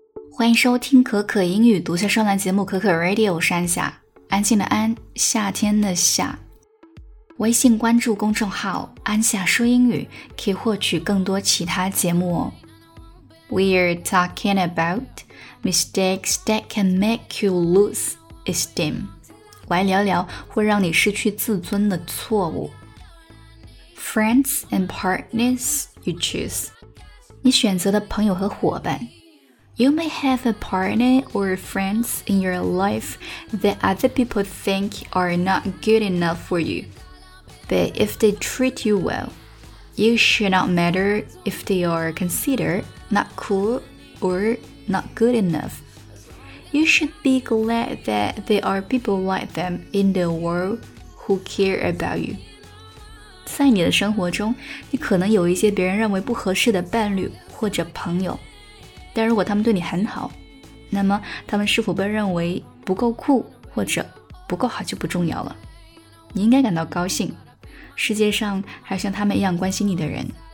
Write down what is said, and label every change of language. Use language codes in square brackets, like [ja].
[zh] 欢迎收听可可英语读学专栏节目可可 Radio， 我是安夏，安静的安，夏天的夏。微信关注公众号安夏说英语，可以获取更多其他节目哦。 [en] We're talking about mistakes that can make you lose esteem. [zh] 我来聊聊会让你失去自尊的错误。 [en] Friends and partners you choose. [zh] 你选择的朋友和伙伴。 [en] You may have a partner or friends in your life that other people think are not good enough for you. But if they treat you well, you should not matter if they are considered not cool or not good enough. You should be glad that there are people like them in the world who care about you. [zh] 在你的生活中，你可能有一些别人认为不合适的伴侣或者朋友。但如果他们对你很好，那么他们是否被认为不够酷或者不够好就不重要了。你应该感到高兴，世界上还有像他们一样关心你的人。